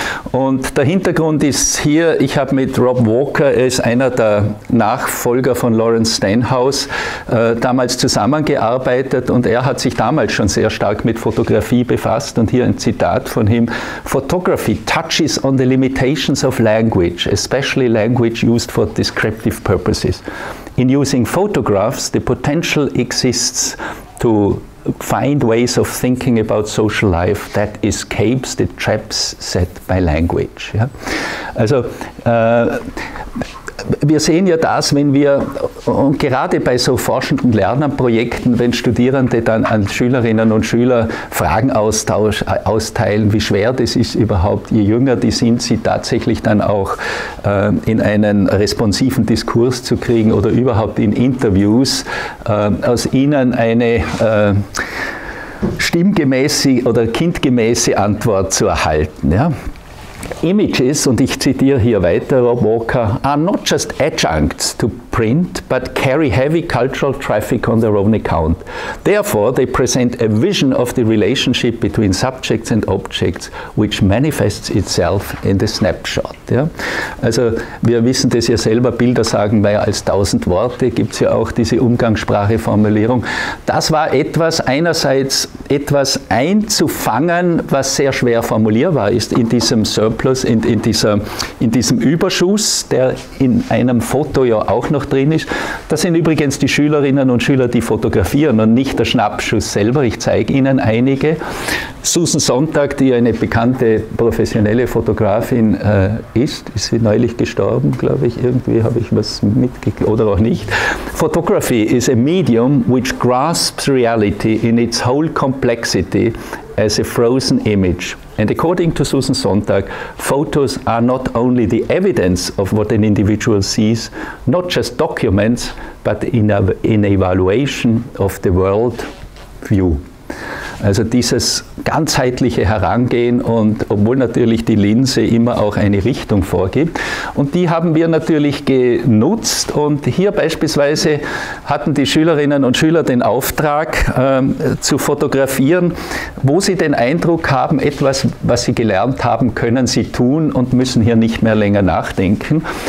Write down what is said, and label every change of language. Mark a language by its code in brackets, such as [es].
[de] Und der Hintergrund ist hier, ich habe mit Rob Walker, er ist einer der Nachfolger von Lawrence Stenhouse, damals zusammengearbeitet und er hat sich damals schon sehr stark mit Fotografie befasst und hier ein Zitat von ihm, [en] Photography touches on the limitations of language, especially language used for descriptive purposes. In using photographs, the potential exists to find ways of thinking about social life that escapes the traps set by language. [de] Ja? Also, wir sehen ja das, wenn wir, und gerade bei so forschenden Lernprojekten, wenn Studierende dann an Schülerinnen und Schüler Fragen austeilen, wie schwer das ist überhaupt, je jünger die sind, sie tatsächlich dann auch in einen responsiven Diskurs zu kriegen oder überhaupt in Interviews, aus ihnen eine stimmgemäße oder kindgemäße Antwort zu erhalten. [en] Ja? Images, [de] und ich zitiere hier weiter, [en] Rob Walker, are not just adjuncts to print, but carry heavy cultural traffic on their own account. Therefore, they present a vision of the relationship between subjects and objects, which manifests itself in the snapshot. [de] Ja? Also, wir wissen das ja selber, Bilder sagen mehr als 1000 Worte, gibt es ja auch diese Umgangssprache-Formulierung. Das war etwas, einerseits etwas einzufangen, was sehr schwer formulierbar ist in diesem Surplus, in diesem Überschuss, der in einem Foto ja auch noch drin ist. Das sind übrigens die Schülerinnen und Schüler, die fotografieren und nicht der Schnappschuss selber. Ich zeige Ihnen einige. Susan Sontag, die eine bekannte professionelle Fotografin ist sie neulich gestorben, glaube ich, irgendwie habe ich was mitgekriegt, oder auch nicht. [en] Photography is a medium which grasps reality in its whole complexity as a frozen image. And according to Susan Sontag, photos are not only the evidence of what an individual sees, not just documents, but in a evaluation of the world view. [de] Also dieses ganzheitliche Herangehen, und obwohl natürlich die Linse immer auch eine Richtung vorgibt. Und die haben wir natürlich genutzt, und hier beispielsweise hatten die Schülerinnen und Schüler den Auftrag zu fotografieren, wo sie den Eindruck haben, etwas, was sie gelernt haben, können sie tun und müssen hier nicht mehr länger nachdenken.